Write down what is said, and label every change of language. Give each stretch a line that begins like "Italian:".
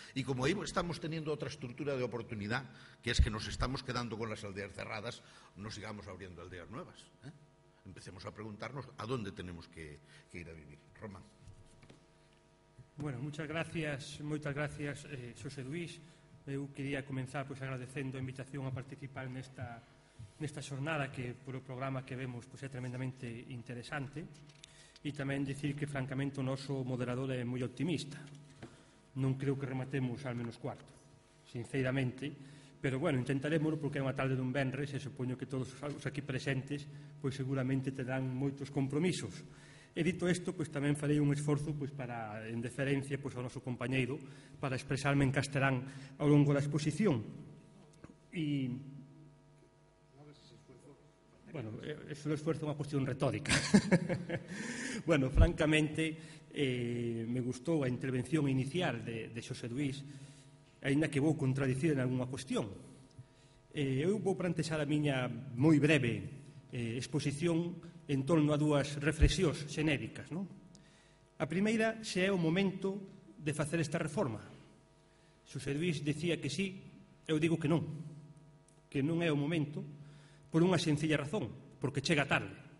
Spanish: Y como ahí estamos teniendo otra estructura de oportunidad, que es que nos estamos quedando con las aldeas cerradas, no sigamos abriendo aldeas nuevas, ¿eh? Empecemos a preguntarnos a dónde tenemos que ir a vivir. Román. Bueno, muchas gracias, José Luis.
Galician: Eu quería comenzar pues agradecendo a invitación a participar nesta xornada que polo programa que vemos pues é tremendamente interesante e tamén decir que francamente o noso moderador é moi optimista. Non creo que rematemos al menos cuarto, sinceramente, pero bueno, intentaremos porque é unha tarde dun venres e supoño que todos os aquí presentes pues seguramente terán moitos compromisos. E dito isto, pues tamén farei un esforzo pues para, en deferencia pues ao noso compañeiro, para expresarme en castelán ao longo da exposición. E bueno, é un esforzo, unha cuestión retórica. Bueno, francamente, me gustou a intervención inicial de José Luis, ainda que vou contradicir en algunha cuestión. Eu vou plantexar a miña moi breve exposición en torno a dúas reflexións xenéricas, non? A primeira, se é o momento de facer esta reforma. José Luis decía que sí, eu digo que non. Que non é o momento por unha sencilla razón, porque chega tarde.